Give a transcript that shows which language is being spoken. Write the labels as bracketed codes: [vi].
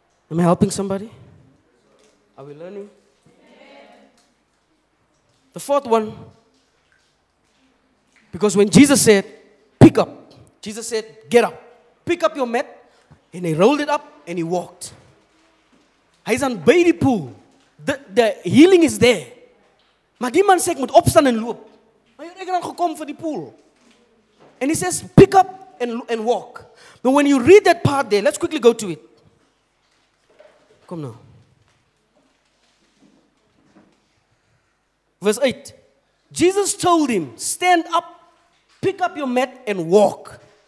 [en] Am I helping somebody? Are we learning? The fourth one, because when Jesus said, pick up, Jesus said, get up, pick up your mat, and he rolled it up and he walked. He's on baby pool. The healing is there. [af] Maar die man sê, ek moet opstaan en loop. Maar jy het dan gekom vir die pool. [en] And he says, pick up and walk. But when you read that part there, let's quickly go to it. [af] Kom nou. [en] Verse 8. Jesus told him, stand up, pick up your mat and walk.